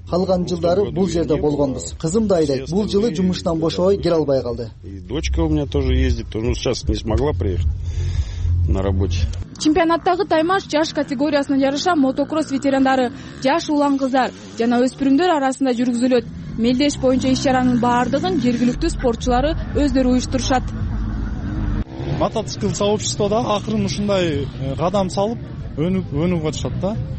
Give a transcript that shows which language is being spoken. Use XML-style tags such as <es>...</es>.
<ky>Калган жылдары бул жерде болгонбуз. Кызым да айтат, бул жылы жумуштан бошобой келе албай калды.</ky> <ru>Дочка у меня тоже ездит, но сейчас не смогла приехать на работе.</ru> <ky>Чемпионаттагы таймаш жаш категориясына жараша мотокросс ветерандары, жаш улан кыздар жана өспүрүмдөр арасында жүргүзүлөт. Мелдеш боюнча иш-чаранын баардыгын жергиликтүү спортчулары өздөрү уюштурушат. Мотоцикл сообщество да акырын ушундай кадам салып өнүгүп атышат да.</ky>